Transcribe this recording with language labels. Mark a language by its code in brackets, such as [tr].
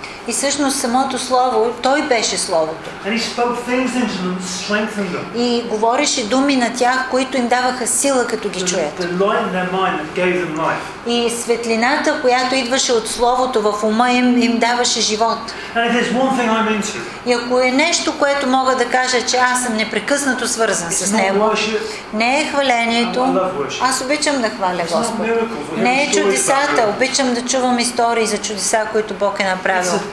[bg] И всъщност самото слово, той беше словото. [en] And he spoke things into them, strengthened them. [bg] И говореше думи на тях, които им даваха сила като ги чуят. [en] The light in their mind gave them life. [bg] И светлината, която идваше от словото в ума им, им даваше живот. [en] And if there's one thing I'm into. [bg] И ако е нещо, което мога да кажа, че аз съм непрекъснато свързан с него, не е хвалението, аз обичам да хваля Господ. Не е чудесата, обичам да чувам истории за чудеса, които Бог е направил.